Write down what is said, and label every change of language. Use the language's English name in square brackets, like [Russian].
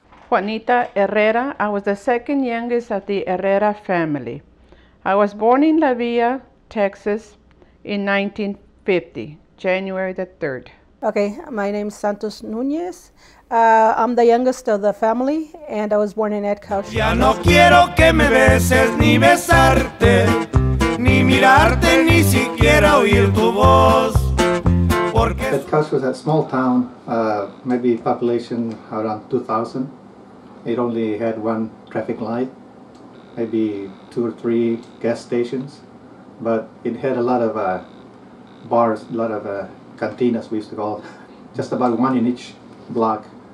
[English] Juanita Herrera, I was the second youngest of the Herrera family. I was born in La Villa, Texas, in 1950, January the 3rd. Okay, my name is Santos Nunez. I'm the youngest of the family, and I was born in Edcouch. [Spanish] Ya no quiero que me beses, ni besarte, ni mirarte, ni siquiera oír tu voz. [English] Edcouch was a small town, maybe population around 2,000. It only had one traffic light, maybe two or three gas stations, but it had a lot of bars, a lot of cantinas, we used to call it, just about one in each block.